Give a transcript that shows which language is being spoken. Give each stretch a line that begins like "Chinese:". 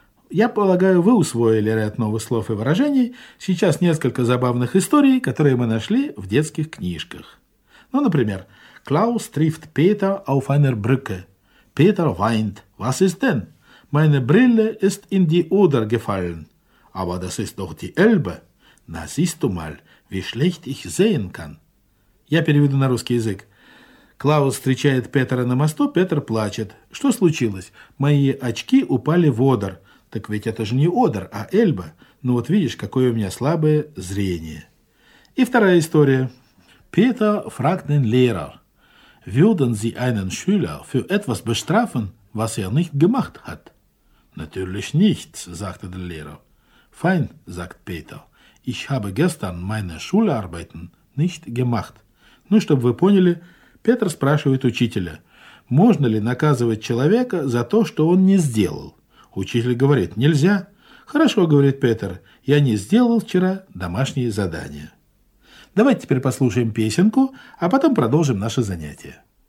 Russian: Я полагаю, вы усвоили ряд новых слов и выражений. Сейчас несколько забавных историй, которые мы нашли в детских книжках. Ну, например,
German: «Klaus trifft Peter auf einer Brücke». «Peter weint. Was ist denn?» «Meine Brille ist in die Oder gefallen». «Aber das ist doch die Elbe». «Na, siehst du mal, wie schlecht ich sehen kann».
Russian: Я переведу на русский язык. «Klaus встречает Петера на мосту, Петер плачет». «Что случилось? Мои очки упали в Одер». Так ведь это же не Одер, а Эльба. Ну вот видишь, какое у меня слабое зрение. И вторая история.
German: Peter fragt den Lehrer. Würden Sie einen Schüler für etwas bestrafen, was nicht gemacht hat? Natürlich nicht, sagte der Lehrer. Fein, sagt Peter. Ich habe gestern meine Schularbeiten nicht gemacht.
Russian: Ну, чтобы вы поняли, Peter спрашивает учителя, можно ли наказывать человека за то, что он не сделал? Учитель говорит, нельзя. Хорошо, говорит Петер, я не сделал вчера домашние задания. Давайте теперь послушаем песенку, а потом продолжим наше занятие.